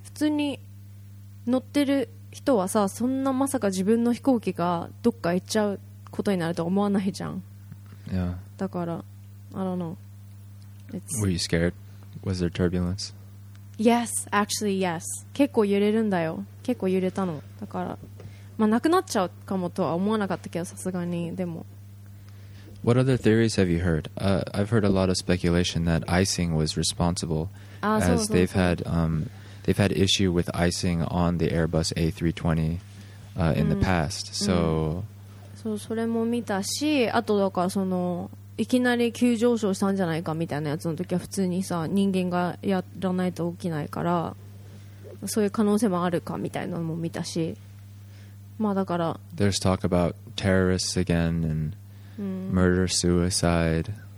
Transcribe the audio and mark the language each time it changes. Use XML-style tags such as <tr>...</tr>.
<ja>普通に乗ってる人はさそんなまさか自分の飛行機がどっか行っちゃうことになるとは思わないじゃん、だから</ja> <en>I don't know、 It's... Were you scared? Was there turbulence? Yes, actually yes.</en> <ja>結構揺れるんだよ。結構揺れたの。だから、まあ、なくなっちゃうかもとは思わなかったけど、さすがにでも。</ja> <en>What other theories have you heard?、I've heard a lot of speculation that icing was responsible,</en> <ja>as そうそうそう</ja> <en>they've had、they've had issue with icing on the Airbus A320、in the past. So,、</en> <ja>そう、それも見たし、あとだからそのいきなり急上昇したんじゃないかみたいなやつの時は普通にさ人間がやらないと起きないからそういう可能性もあるかみたいなのも見たし、まあだから。</ja> <en>There's talk about terrorists again and murder, suicide.</en>